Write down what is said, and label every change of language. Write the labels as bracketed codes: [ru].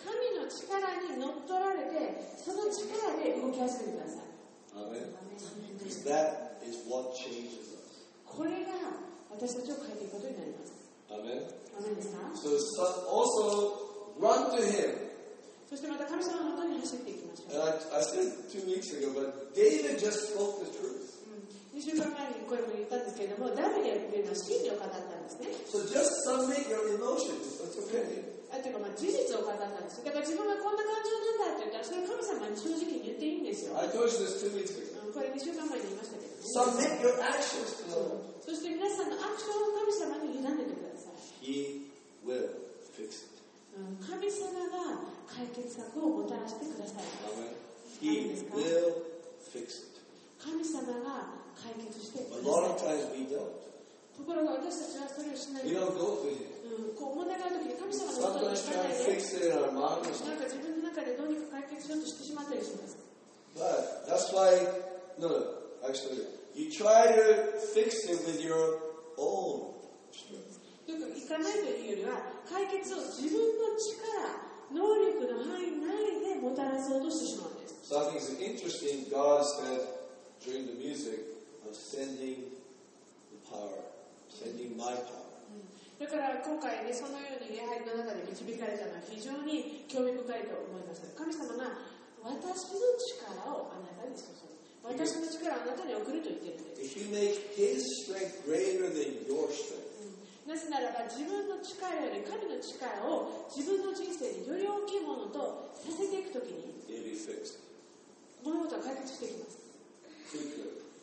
[ja] 神の力に乗っ取られてその力で動き始めてください。 [en] Amen. Because that is what changes us. [ja] これが私たちを変えていくことになります。 [en] Amen. [ja] Amen ですか。 [en] So also run to him. [ja] そしてまた神様の元に走っていきましょう。 [en] And I said 2 weeks ago, but David just spoke the truth. So just submit your emotions. That's okay. [ja] あ、てかまあ事実を語ったんです。だから自分はこんな感情なんだって言ったら、それ神様に正直に言っていいんですよ。 [en] I told you this 2 weeks ago. [ja] これ2週間前に言いましたけど。 [en] Submit your actions to the Lord. [ja] そして皆さんのアクションを神様に委ねてください。 [en] He will fix it. [ja] 神様が解決策をもたらしてください。 [en] He will fix it. [ja] 神様が解決してください。ところが私たちはそれをしない。こう問題がある時に神様のことを考えて、なんか自分の中でどうにか解決しようとしてしまったりします。 [en] But that's why, no, actually, you try to fix it with your own strength. [ja] いかないというよりは、解決を自分の力、能力の範囲内でもたらそうとしてしまうんです。 [en] So I think it's interesting, God said,During the music of sending the power, sending my power. [ja] だから今回ねそのように礼拝の中で導かれたのは非常に興味深いと思います。神様が私の力をあなたに注ぐ、私の力をあなたに送ると言っているんです。 [en] If you make His strength greater than your strength, [ja] なぜならば自分の力より神の力を自分の人生により大きいものとさせていくときに、 [en] It will be fixed. [ja] 物事は解決していきます。